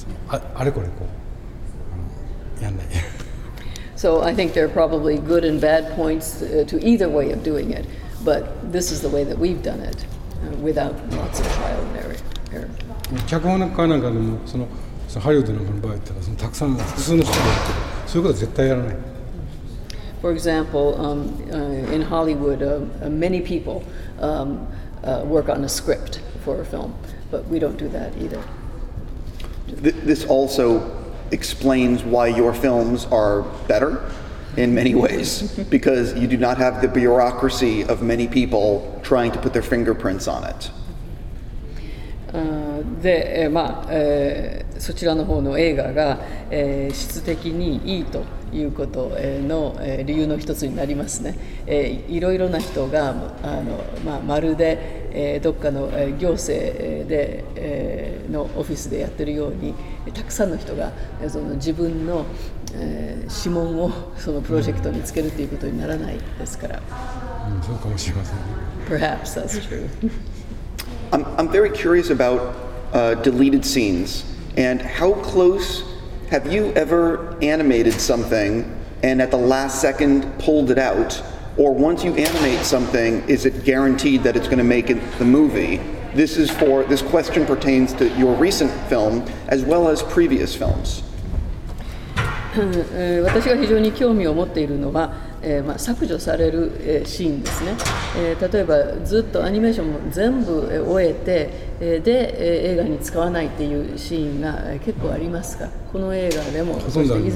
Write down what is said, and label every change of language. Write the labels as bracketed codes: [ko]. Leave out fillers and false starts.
[ja] あれこれこうやんない。 [en] So I think there are probably good and bad points to either way of doing it, but this is the way that we've done it, without lots of trial and error. [ja] 脚本家なんかでもそのハリウッドなんかの場合ってのはたくさん複数の人でやってる、そういうことは絶対やらない。 [en] For example, in Hollywood, many people work on a script for a film, but we don't do that either. This also explains why your films are better in many ways, because you do not have the bureaucracy of many people trying to put their fingerprints on it. [ja] で、まあ、そちらの方の映画が、質的にいいということの理由の一つになりますね。いろいろな人がまあ、まるで、どっかの行政で、のオフィスでやってるようにたくさんの人がその自分の、指紋をそのプロジェクトにつけるということにならないですから、うん、そうかもしれません。 [en] Perhaps that's true. I'm very curious aboutdeleted scenes, and how close have you ever animated something and at the last second pulled it out? Or once you animate something, is it guaranteed that it's going to make it the movie? This question pertains to your recent film as well as previous films. [ja] 私が非常に興味を持っているのは、まあ、削除される、シーンですね。例えばずっとアニメーションも全部終えて、で、映画に使わないっていうシーンが結構ありますか。この映画でも、ほとんどあります。